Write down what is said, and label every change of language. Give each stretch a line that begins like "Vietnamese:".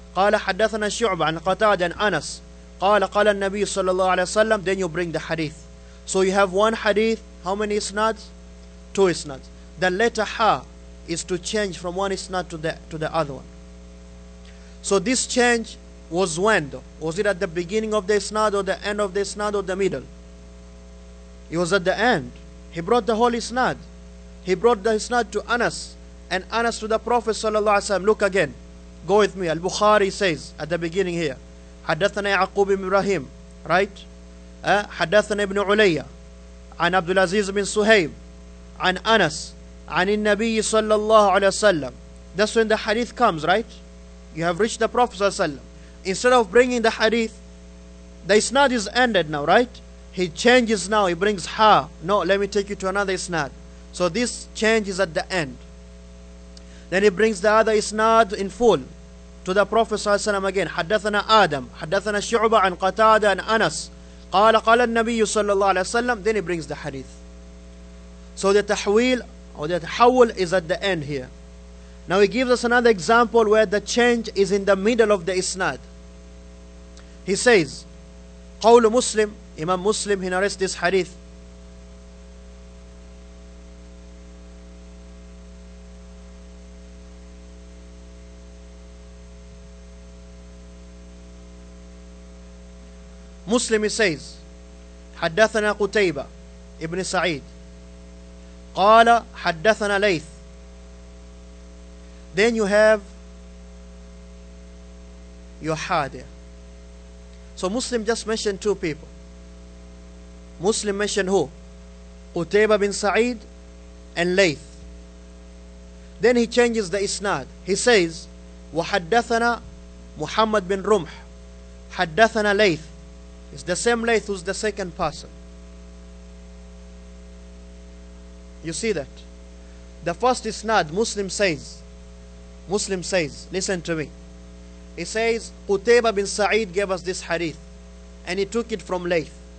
Arabic: قال حدثنا شعبة عن قتادة عن أنس قال قال النبي صلى الله عليه وسلم.
English: Then you bring the hadith. So you have one hadith. How many isnads? Two isnads. The letter ha is to change from one isnad to the other one. So this change was when though? Was it at the beginning of the isnad or the end of the isnad or the middle? It was at the end. He brought the whole isnad. He brought the isnad to Anas, and Anas to the Prophet
Arabic: صلى الله عليه وسلم.
English: Look again. Go with me. Al-Bukhari says at the beginning here,
Arabic: حدثنا يعقوب بن إبراهيم,
English: right?
Arabic: حدثنا ابن علي عن عبد العزيز بن سهيب عن أنس عن النبي صلى الله عليه وسلم.
English: That's when the hadith comes, right? You have reached the Prophet
Arabic: صلى الله عليه وسلم.
English: Instead of bringing the hadith, the isnad is ended now, right? He changes now. He brings ha. No, let me take you to another isnad. So this change is at the end. Then he brings the other isnad in full to the Prophet ﷺ again.
Arabic: حدثنا آدم حدثنا شعبة عن قتادة عن أنس قال قال النبي صلى الله عليه وسلم.
English: Then he brings the hadith. So the tahwil or the tahawul is at the end here. Now he gives us another example where the change is in the middle of the isnad. He says,
Arabic: قول مسلم,
English: Imam Muslim, he narrates this hadith. Muslim, he says,
Arabic: حدثنا قتيبة ابن سعيد قال حدثنا ليث.
English: Then you have your ha there. So Muslim just mentioned two people. Muslim mentioned who? قتيبة بن سعيد and ليث. Then he changes the isnad. He says,
Arabic: وحدثنا محمد بن رمح حدثنا ليث.
English: It's the same Layth who's the second person. You see that? The first isnad, Muslim says, listen to me. He says, Qutayba bin Sa'id gave us this hadith, and he took it from Layth.